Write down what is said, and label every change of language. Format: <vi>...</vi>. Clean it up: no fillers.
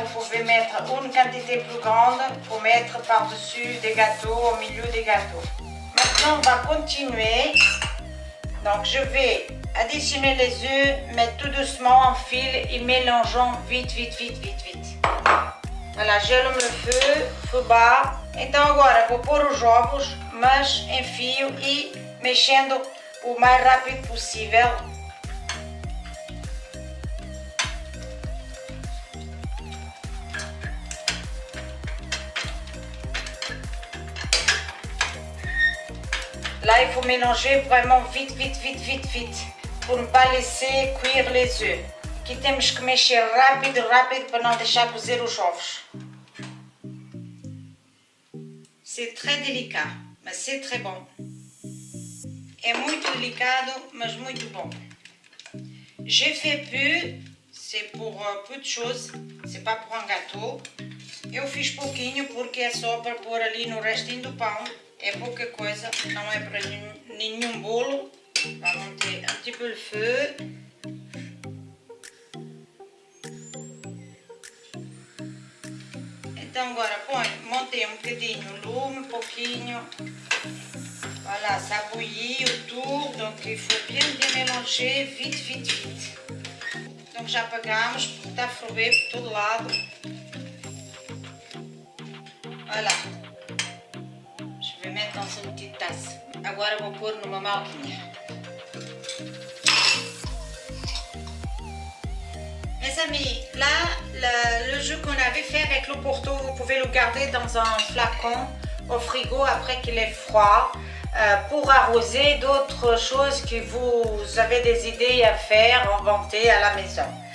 <fr>Vous pouvez mettre une quantité plus grande pour mettre par-dessus des gâteaux, au milieu des gâteaux. Maintenant, on va continuer. Donc, je vais additionner les œufs, mais tout doucement en fil et mélangeant vite, vite, vite, vite, vite. Voilà, j'allume le feu, feu bas.</fr> <pt>Então, agora, vou pôr os ovos, mas em fio e mexendo o mais rápido possível.</pt> <fr>Là, il faut mélanger vraiment vite, vite, vite, vite, vite, pour ne pas laisser cuire les œufs.</fr> <pt>Aqui temos que mexer rápido, rápido, para não deixar cozer os ovos.</pt> <fr>C'est très délicat, mais c'est très bon.</fr> <pt>É muito delicado, mas muito bon.</pt> <fr>J'ai fait peu, c'est pour peu de choses, c'est pas pour un gâteau.</fr> <pt>Eu fiz pouquinho, porque é só para pôr ali no restinho do pão. É pouca coisa, não é para nenhum bolo. Vamos manter um tipo de feu. Então agora montei um bocadinho o lume, um pouquinho.</pt> <fr>Voilà, ça bouillit tout, donc il faut bien bien mélanger, vite, vite, vite.</fr> <pt>Então já apagamos, porque está a ferver por todo lado. Voilà.</pt> <fr>Dans une petite tasse.</fr> <pt>Agora vou pôr numa maquininha.</pt> <fr>Mes amis, là, le jus qu'on avait fait avec le porto, vous pouvez le garder dans un flacon au frigo après qu'il est froid pour arroser d'autres choses que vous avez des idées à faire, inventer à la maison.</fr>